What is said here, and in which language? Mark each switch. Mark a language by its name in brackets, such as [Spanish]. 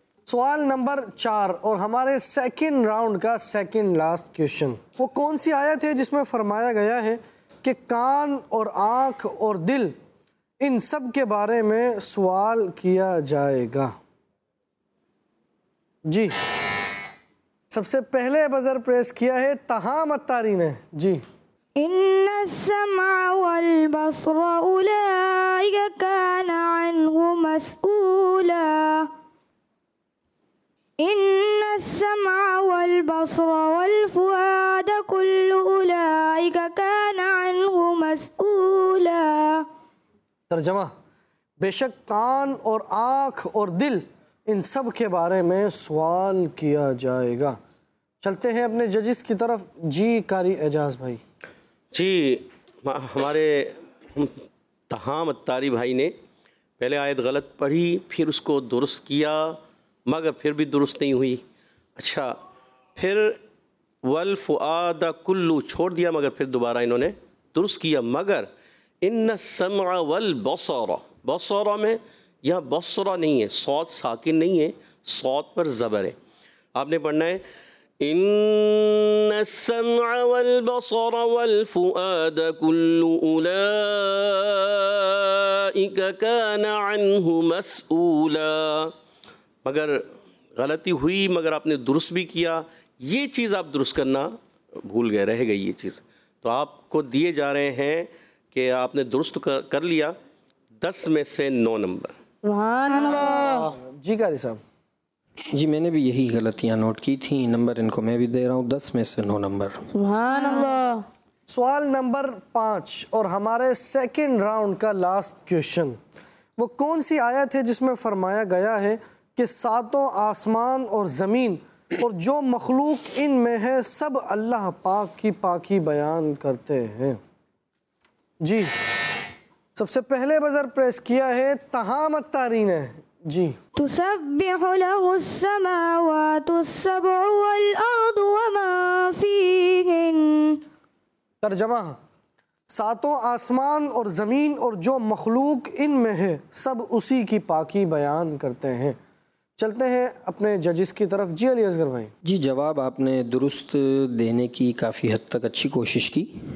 [Urdu] سوال نمبر چار اور ہمارے سیکنڈ راؤنڈ کا سیکنڈ لاسٹ کوشچن، وہ کون سی آیت ہے جس میں فرمایا گیا ہے کہ کان اور آنکھ اور دل ان سب کے بارے میں سوال کیا جائے گا؟ جی، سب سے پہلے بزر پریس کیا ہے تہام اتاری نے. جی [Arabic] ان السمع والبصر اولئك كان عنه مسؤولا ان السمع والبصر والفؤاد كل اولئك كان عنه مسؤولا. [Urdu] ترجمہ، بے شک کان اور آنکھ اور دل ان سب کے بارے میں سوال کیا جائے گا. چلتے ہیں اپنے ججز کی طرف. جی قاری اعجاز بھائی. جی، ہمارے تہام اتاری بھائی نے پہلے آیت غلط پڑھی، پھر اس کو درست کیا، مگر پھر بھی درست نہیں ہوئی. اچھا، پھر والفؤاد کلو چھوڑ دیا، مگر پھر دوبارہ انہوں نے درست کیا. مگر [Arabic] ان السمع والبصر، [Urdu] بصر میں یہاں بصر نہیں ہے، صوت ساکن نہیں ہے، صوت پر زبر ہے. آپ نے پڑھنا ہے [Arabic] ان السمع والبصر والفؤاد كل اولئك كان عنه مسؤولا. [Urdu] مگر غلطی ہوئی، مگر آپ نے درست بھی کیا. یہ چیز آپ درست کرنا بھول گئے، رہ گئی یہ چیز، تو آپ کو دیے جا رہے ہیں کہ آپ نے درست کر لیا 10 میں سے 9 نمبر. سبحان اللہ. جی قاری صاحب. جی، میں نے بھی یہی غلطیاں نوٹ کی تھیں، نمبر ان کو میں بھی دے رہا ہوں 10 میں سے 9 نمبر. سبحان اللہ. سوال نمبر 5 اور ہمارے سیکنڈ راؤنڈ کا لاسٹ کوشچن، وہ کون سی آیت ہے جس میں فرمایا گیا ہے کہ ساتوں آسمان اور زمین اور جو مخلوق ان میں ہے سب اللہ پاک کی پاکی بیان کرتے ہیں؟ جی، سب سے پہلے بزر پریس کیا ہے تہام اتاری نے. جی [Arabic] تسبح له السماوات السبع والارض ومن فيهن. [Urdu] ترجمہ، ساتوں آسمان اور زمین اور جو مخلوق ان میں ہے سب اسی کی پاکی بیان کرتے ہیں. چلتے ہیں اپنے ججز کی طرف. جی علی اصغر بھائی. جی، جواب آپ نے درست دینے کی کافی حد تک اچھی کوشش کی.